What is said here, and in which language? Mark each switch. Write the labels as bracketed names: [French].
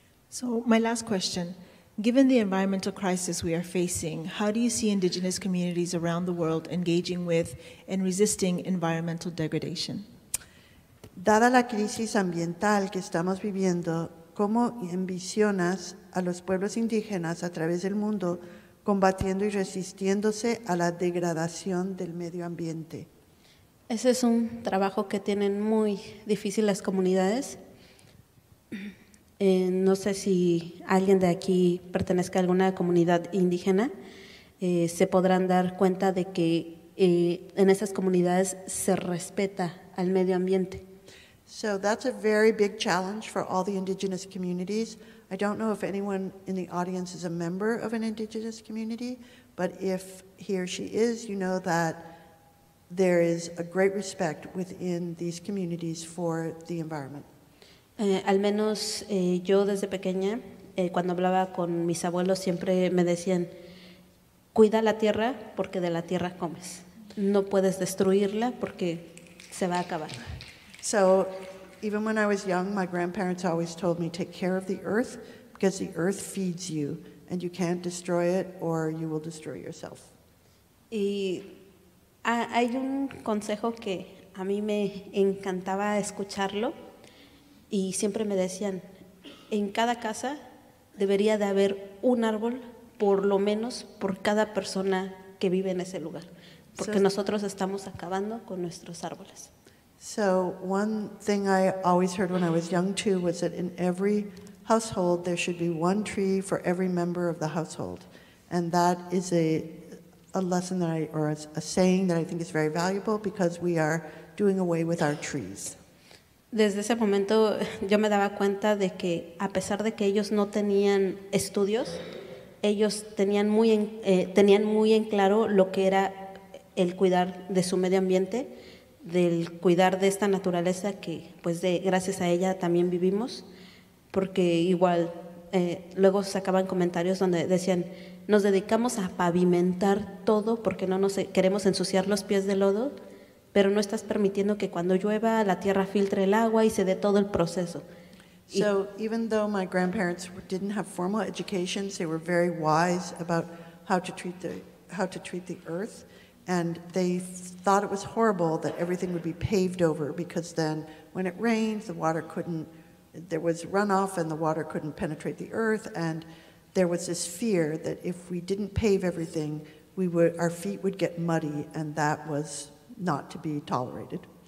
[English] So my last question, given the environmental crisis we are facing, how do you see indigenous communities around the world engaging with and resisting environmental degradation? [Spanish] Dada la crisis ambiental que estamos viviendo, ¿cómo envisionas a los pueblos indígenas a través del mundo combatiendo y resistiéndose a la degradación del medio ambiente? Ese es un trabajo que tienen muy difícil las comunidades. No sé si alguien de aquí pertenezca a alguna comunidad indígena, se podrán dar cuenta de que en esas comunidades se respeta al medio ambiente. [English] So that's a very big challenge for all the indigenous communities. I don't know if anyone in the audience is a member of an indigenous community, but if he or she is, you know that there is a great respect within these communities for the environment. [Spanish] Al menos yo desde pequeña, cuando hablaba con mis abuelos, siempre me decían, cuida la tierra porque de la tierra comes. No puedes destruirla porque se va a acabar. [English] So even when I was young, my grandparents always told me, take care of the earth because the earth feeds you and you can't destroy it or you will destroy yourself. [Spanish] Y hay un consejo que a mí me encantaba escucharlo y siempre me decían, en cada casa debería de haber un árbol por lo menos por cada persona que vive en ese lugar, porque nosotros estamos acabando con nuestros árboles. [English] So one thing I always heard when I was young too was that in every household there should be one tree for every member of the household. And that is a lesson that I, or a saying that I think is very valuable because we are doing away with our trees. [Spanish] Desde ese momento yo me daba cuenta de que a pesar de que ellos no tenían estudios, ellos tenían muy en, tenían muy en claro lo que era el cuidar de su medio ambiente, del cuidar de esta naturaleza que pues de gracias a ella también vivimos, porque igual luego sacaban comentarios donde decían nos dedicamos a pavimentar todo porque no nos queremos ensuciar los pies de lodo, pero no estás permitiendo que cuando llueva la tierra filtre el agua y se dé todo el proceso. [English] So even though my grandparents didn't have formal education, they were very wise about how to treat the earth, and they thought it was horrible that everything would be paved over because then when it rained the water couldn't, there was runoff and the water couldn't penetrate the earth, and there was this fear that if we didn't pave everything we would, our feet would get muddy, and that was not to be tolerated.